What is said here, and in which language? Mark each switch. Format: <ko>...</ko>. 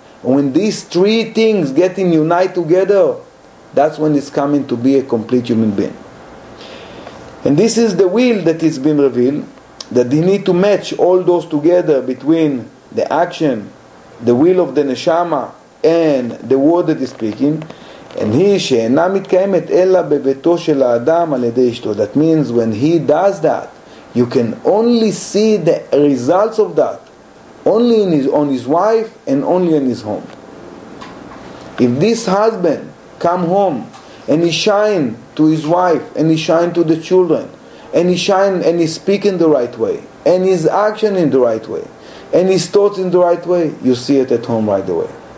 <en>When these three things getting united together, that's when he's coming to be a complete human being. And this is the will that has been revealed, that he need to match all those together between the action, the will of the neshama, and the word that he's speaking.</en> <he>And he שאינה מתקיימת אלא בביתו של האדם על ידי אשתו.</he> <en>That means when he does that, you can only see the results of that only in his, on his wife and only in his home. If this husband come home and he shine to his wife and he shine to the children and he shine and he speak in the right way and his action in the right way and his thoughts in the right way, you see it at home right away.</en>